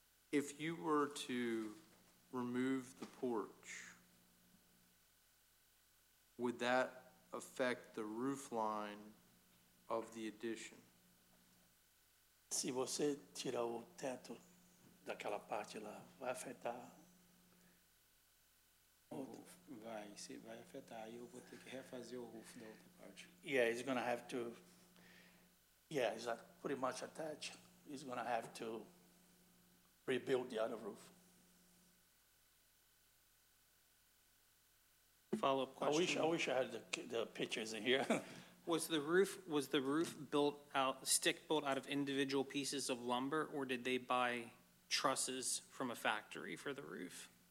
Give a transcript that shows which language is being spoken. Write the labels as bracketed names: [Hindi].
[English] If you were to remove the porch, would that affect the roof line of the addition? [Portuguese] Se você tirar o teto daquela parte lá, vai afetar? Vai afetar. Eu vou ter que refazer o roof da outra parte. [English] Yeah, it's going to have to. Yeah, it's like pretty much attached. It's going to have to rebuild the other roof. Follow-up question. I wish I had the pictures in here. Was the roof built out of individual pieces of lumber, or did they buy trusses from a factory for the roof?